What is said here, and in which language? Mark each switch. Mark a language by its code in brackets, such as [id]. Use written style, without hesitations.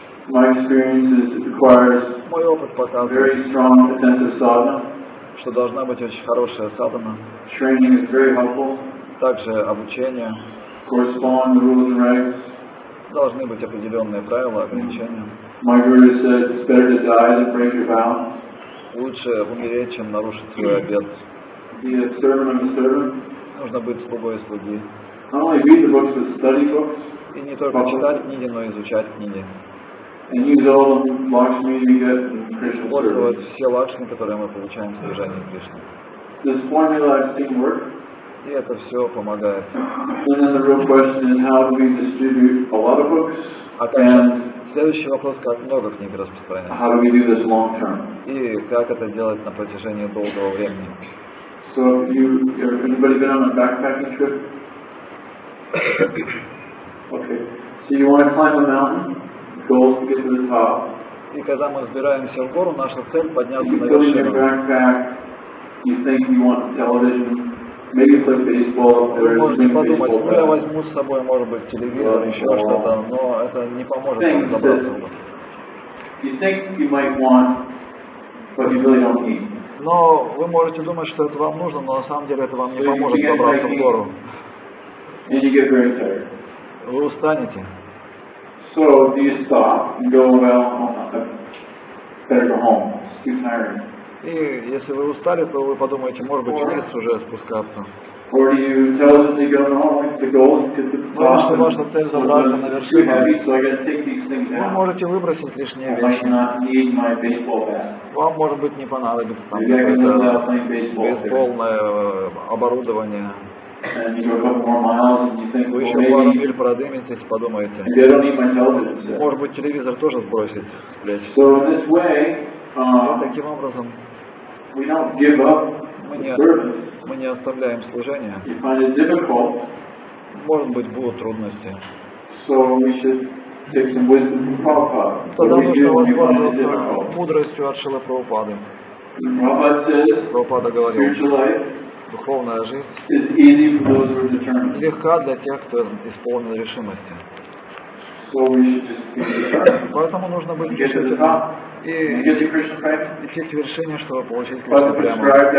[en] My experience is it requires very strong attentive sadhana. [ru] Что должна быть очень хорошая садхана. [en] Training is very helpful. [ru] Также обучение. [en] Correspond to rules and regs. [ru] Должны быть определенные правила, ограничения. [en] My guru said it's better to die than break your vow. [ru] Лучше умереть, чем нарушить свой обет. [en] Be a servant of the servant. [ru] Нужно быть слугой слуги. [en] Not only read the books, but study books. [ru] И не только читать книги, но и изучать книги. [en] And use all the lakshmi you get in Krishna service. [ru] Использовать все лакшми, которые мы получаем в служении Кришне. [en] This formula I've seen work. [ru] И это все помогает. [en] And then the real question is how do we distribute a lot of books? [ru] А также следующий вопрос, как много книг распространять? [en] How do we do this long term? [ru] И как это делать на протяжении долгого времени? [en] So anybody been on a backpacking trip? Okay. So you want to climb a mountain? [ru] И когда мы взбираемся в гору, наша цель — подняться на вершину. [en] Maybe play baseball, there is a baseball bat. [ru] Я возьму с собой, может быть, телевизор, еще что-то, но это не поможет вам забраться. [en] You think you might want, but you really don't need. [ru] Но вы можете думать, что это вам нужно, но на самом деле это вам не поможет забраться в гору. [en] And you get very tired. [ru] Вы устанете. [en] So, do you stop and go, well, better go home, it's too tiring. [ru] И если вы устали, то вы подумаете, может быть, вниз уже спускаться. [en] Or do you tell them to go home, the goal is to get to the top? [ru] Может, ваша цель забраться на вершину. [en] It's too heavy, so I gotta take these things out. [ru] Вы можете выбросить лишние вещи. [en] I might not need my baseball bat. [ru] Вам, может быть, не понадобится там какое-то бейсбольное оборудование. [en] And you go a couple more miles, and you think, [ru] вы еще пару миль продыметесь, подумаете. [en] Maybe I don't need my television set. [ru] Может быть, телевизор тоже сбросить с плеч. [en] So in this way, [ru] таким образом, [en] we don't give up the service. [ru] Мы не оставляем служение. [en] You find it difficult. [ru] Может быть, будут трудности. [en] So we should take some wisdom from Prabhupada. [ru] Тогда нужно воспользоваться мудростью от Шрилы Прабхупады. Прабхупада говорил, духовная жизнь легка для тех, кто исполнен решимости. Поэтому нужно быть решительным. И идти к вершине, чтобы получить Кришну прямо.